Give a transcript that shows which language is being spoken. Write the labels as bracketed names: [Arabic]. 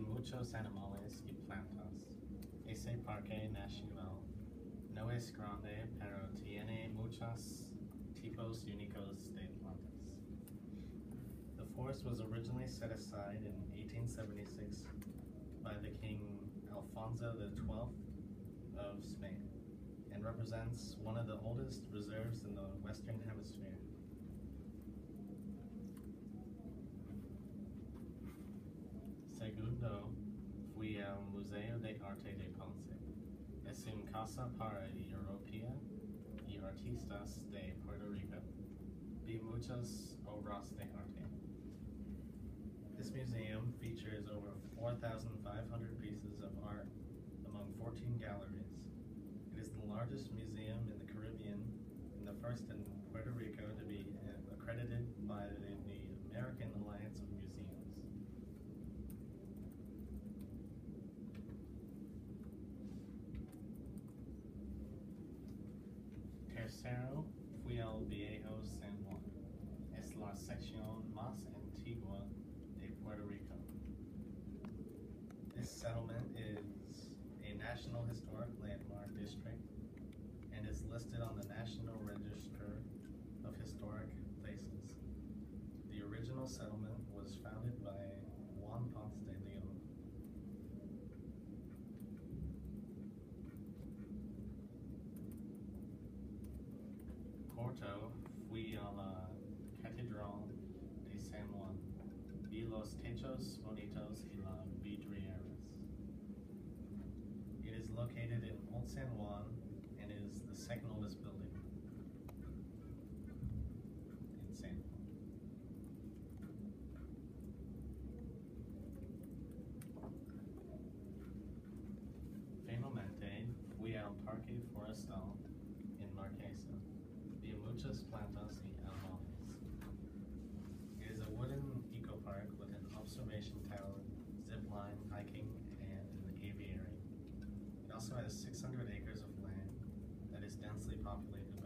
[Spanish] muchos animales y plantas. Ese parque nacional no es grande, pero tiene muchos tipos únicos de plantas. [English] The forest was originally set aside in 1876 by the King Alfonso XII of Spain and represents one of the oldest reserves in the Western Hemisphere. [Spanish] Segundo, fui al Museo de Arte de Ponce. Es una casa para Europa y artistas de Puerto Rico. Vi muchas obras de arte. [English] This museum features over 4,500 pieces of art among 14 galleries. It is the largest museum in the Caribbean and the first in Puerto Rico to be accredited by the American Alliance of Museums. [Spanish] Tercero, fui al Viejo San Juan. Es la sección más antigua de Puerto Rico. [English] This settlement is a National Historic Landmark District and is listed on the National Register of Historic Places. The original settlement was founded by Juan Ponce de León. [Spanish] Cuarto, fui a la Catedral de San Juan. Vi los techos bonitos y las vidrieras. [English] It is located in Old San Juan and is the second oldest building in San Juan. [Spanish] Finalmente, fui al Parque Forestal en Marquesa. Vi muchas plantas y animales. [English] It is a wooden eco park with an observation tower, zip line, hiking, and an aviary. It also has 600 acres of land that is densely populated.